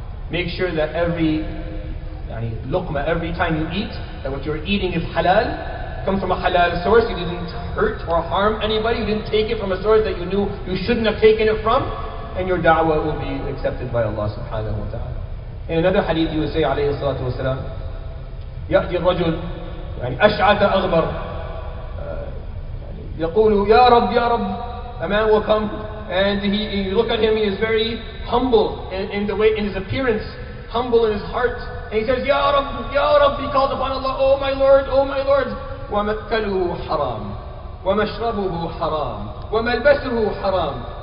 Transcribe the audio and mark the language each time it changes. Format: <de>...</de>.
<en>Make sure that every time you eat, that what you're eating is halal, comes from a halal source, you didn't hurt or harm anybody, you didn't take it from a source that you knew you shouldn't have taken it from, and your da'wah will be accepted by Allah subhanahu wa ta'ala. In another hadith, you would say, alayhi salatu wasalam,</en> <ar>يأتي الرجل يعني أشعث أغبر يقول يا رب يا رب.</ar> <en>A man will come and he look at him, he is very humble in the way, in his appearance, humble in his heart, and he says,</en> <ar>يا رب يا رب.</ar> <en>He calls upon Allah, oh my Lord, oh my Lord.</en> <ar>ومأكله حرام ومشربه حرام وملبسه حرام.</ar>